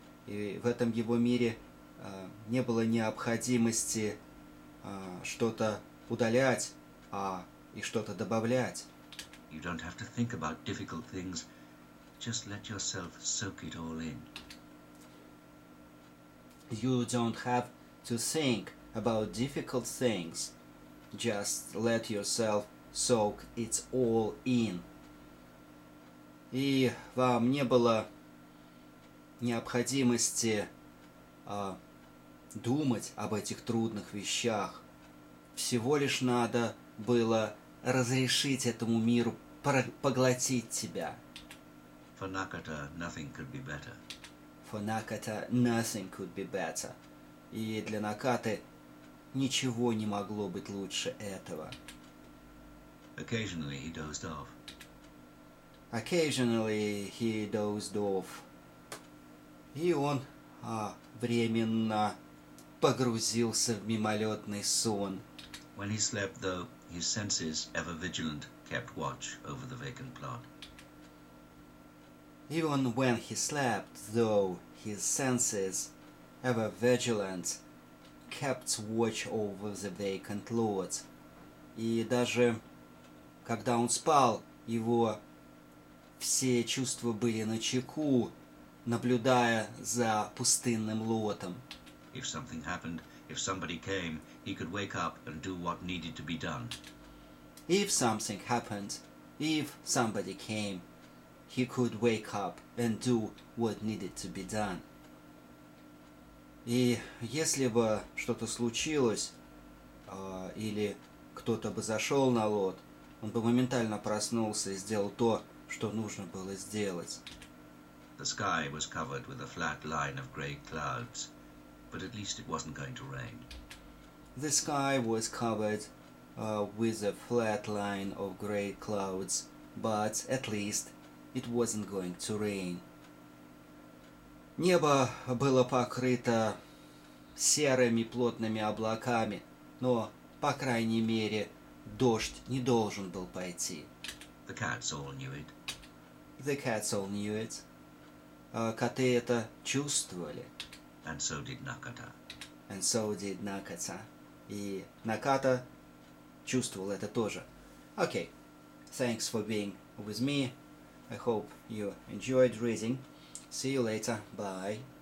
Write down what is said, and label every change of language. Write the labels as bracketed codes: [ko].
[ru] И в этом его мире не было необходимости что-то удалять, и что-то добавлять. [en] You don't have to think about difficult things. Just let yourself soak it all in. You don't have to think about difficult things. Just let yourself soak it all in. [ru] И вам не было необходимости думать об этих трудных вещах. Всего лишь надо было разрешить этому миру поглотить тебя. [en] For Nakata, nothing could be better. For Nakata, nothing could be better. [ru] И для Накаты ничего не могло быть лучше этого. [en] Occasionally he dozed off. Occasionally he dozed off. [ru] И он временно погрузился в мимолетный сон. [en] When he slept, though, his senses, ever vigilant, kept watch over the vacant plot. Even when he slept, though, his senses, ever vigilant, kept watch over the vacant lot. [ru] И даже когда он спал, его все чувства были начеку, наблюдая за пустынным лотом. [en] If something happened, if somebody came, he could wake up and do what needed to be done. If something happened, if somebody came, he could wake up and do what needed to be done. [ru] И если бы что-то случилось, или кто-то бы зашел на лот, он бы моментально проснулся и сделал то, что нужно было сделать. [en] The sky was covered with a flat line of grey clouds, but at least it wasn't going to rain. The sky was covered with a flat line of grey clouds, but at least it wasn't going to rain. [ru] Небо было покрыто серыми плотными облаками, но, по крайней мере, дождь не должен был пойти. [en] The cats all knew it. The cats all knew it. [ru] Коты это чувствовали. [en] And so did Nakata. And so did Nakata. [ru] И Наката чувствовал это тоже. [en] Okay. Thanks for being with me. I hope you enjoyed reading. See you later. Bye.